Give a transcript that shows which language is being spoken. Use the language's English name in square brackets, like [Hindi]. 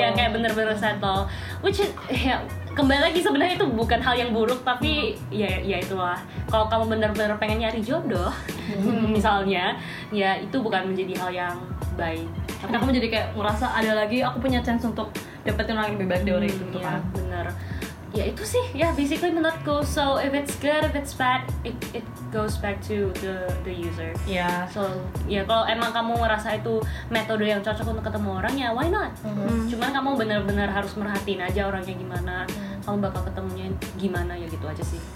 [Indonesian] ya, kayak bener-bener settle, [English] which is, [Indonesian] ya kembali lagi sebenarnya itu bukan hal yang buruk, tapi ya itulah, kalau kamu bener-bener pengen nyari jodoh misalnya, ya itu bukan menjadi hal yang baik. Tapi kamu jadi kayak merasa ada lagi aku punya chance untuk dapetin orang yang lebih baik dari itu gitu kan. Bener. Ya itu sih, ya basically menurutku. [English] So if it's good, if it's bad, it goes back to the user. [Indonesian] So ya kalau emang kamu ngerasa itu metode yang cocok untuk ketemu orang, ya [English] why not? [Indonesian] Cuman kamu benar-benar harus merhatiin aja orangnya gimana, kamu bakal ketemunya gimana, ya gitu aja sih.